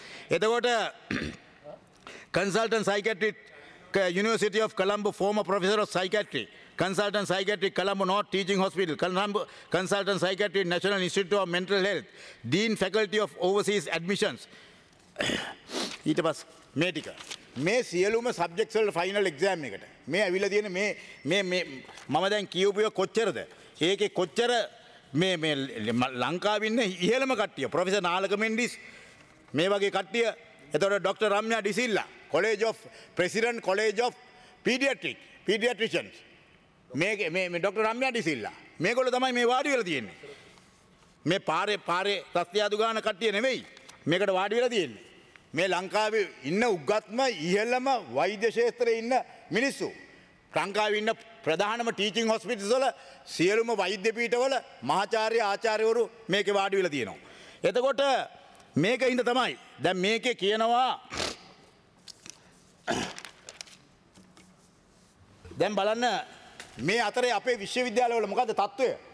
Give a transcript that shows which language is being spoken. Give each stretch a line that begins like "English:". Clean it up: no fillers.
English: Etakota Consultant Psychiatric University of Colombo, former professor of psychiatry. Consultant Psychiatric Colombo North Teaching Hospital, Consultant Psychiatry National Institute of Mental Health, Dean Faculty of Overseas Admissions.
Sinhala: ඊට පස්සේ මේ ටික. මේ සියලුම subjects වල final exam එකට. මේ ඇවිල්ලා තියෙන මේ මේ මේ මම දැන් කියූපිය කොච්චරද? ඒකේ කොච්චර මේ මේ ලංකාවේ ඉන්න ඉහළම කට්ටිය. ප්‍රොෆෙසර් නාලක මෙන්ඩිස් මේ වගේ කට්ටිය. එතකොට doctor Ramya ඩිසිල්ලා, College of President College of Pediatric Pediatricians. මේ ડોક્ટર රම්‍යා ඩිසිල්ලා මේගොල්ලෝ තමයි මේ වාඩි වෙලා තියෙන්නේ මේ පාරේ රස්තියාදු ගාන කට්ටිය නෙමෙයි මේකට වාඩි වෙලා තියෙන්නේ මේ ලංකාවේ ඉන්න උගත්ම ඉහළම වෛද්‍ය ශාස්ත්‍රයේ ඉන්න මිනිස්සු ලංකාවේ ඉන්න ප්‍රධානම ටීචින් හොස්පිටල්ස් වල සියලුම වෛද්‍ය පීඨවල මහාචාර්ය ආචාර්යවරු මේකේ වාඩි වෙලා තියෙනවා එතකොට මේකේ ඉඳ තමයි දැන් මේකේ කියනවා දැන් බලන්න මේ අතරේ අපේ විශ්වවිද්‍යාලවල මොකද තත්ත්වය?